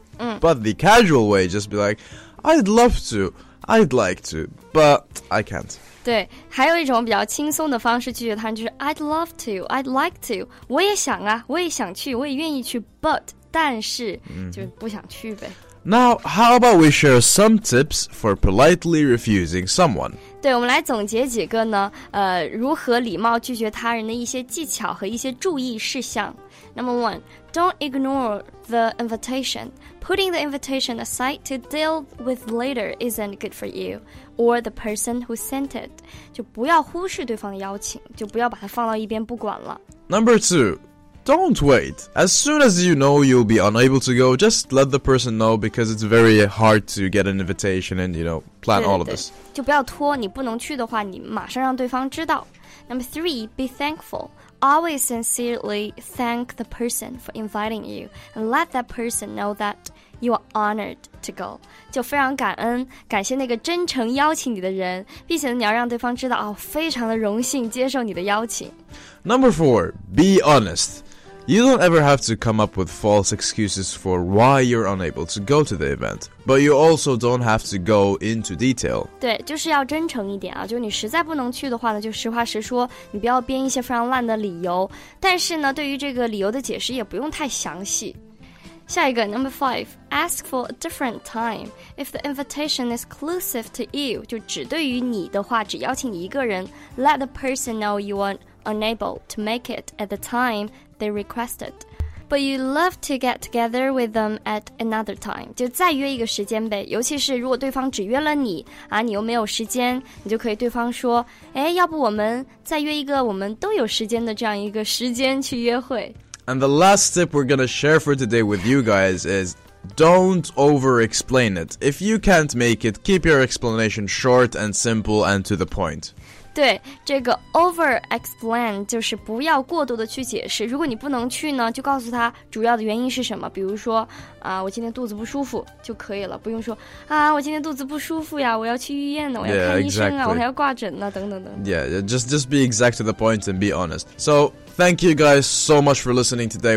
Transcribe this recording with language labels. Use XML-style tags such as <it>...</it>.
<en>But the casual way, just be like, I'd love to. I'd like to, but I can't.</en> <zh>对，还有一种比较轻松的方式拒绝他人就是</zh> <en>I'd love to, I'd like to.</en> <zh>我也想啊，我也想去，我也愿意去 but 但是就不想去呗。</zh> <en>Now, how about we share some tips for politely refusing someone?</en> <zh>对，我们来总结几个呢，如何礼貌拒绝他人的一些技巧和一些注意事项。</zh> <en>Number one, don't ignore the invitation. Putting the invitation aside to deal with later isn't good for you or the person who sent it.</en> <zh>就不要忽视对方的邀请，就不要把它放到一边不管了。</zh> <en>Number two,Don't wait. As soon as you know you'll be unable to go, just let the person know because it's very hard to get an invitation and, you know, plan</en> <zh>对对对,</zh> <en>all of this.</en> <zh>就不要拖,你不能去的话,你马上让对方知道。</zh> <en>Number three, be thankful. Always sincerely thank the person for inviting you and let that person know that you are honored to go.</en> <zh>就非常感恩,感谢那个真诚邀请你的人,并且你要让对方知道,哦,非常的荣幸接受你的邀请。</zh> <en>Number four, be honest. You don't ever have to come up with false excuses for why you're unable to go to the event, but you also don't have to go into detail.</en> <zh>对，就是要真诚一点啊，就你实在不能去的话呢，就实话实说，你不要编一些非常烂的理由。但是呢，对于这个理由的解释也不用太详细。下一个</zh> <en>number five, ask for a different time. If the invitation is exclusive to you,</en> <zh>就只对于你的话，只邀请你一个人</zh> <en>let the person know you want. Unable to make it at the time they requested. But you love to get together with them at another time.</en> <zh>就再约一个时间呗，尤其是如果对方只约了你，啊，你又没有时间，你就可以对方说，哎，要不我们再约一个我们都有时间的这样一个时间去约会。</zh> <en>And the last tip we're gonna share for today with you guys is... Don't over-explain it. If you can't make it, keep your explanation short and simple and to the point.</en> <zh>对，这个 over-explain 就是不要过度的去解释。如果你不能去呢，就告诉他主要的原因是什么。比如说，我今天肚子不舒服就可以了，不用说，我今天肚子不舒服呀，我要去医院呢，我要看医生啊，</zh> <en>yeah, exactly.</en> <zh>我还要挂诊呢，等等等。</zh> <en>Yeah, just be exact to the point and be honest. So... Thank you guys so much for listening today.</en>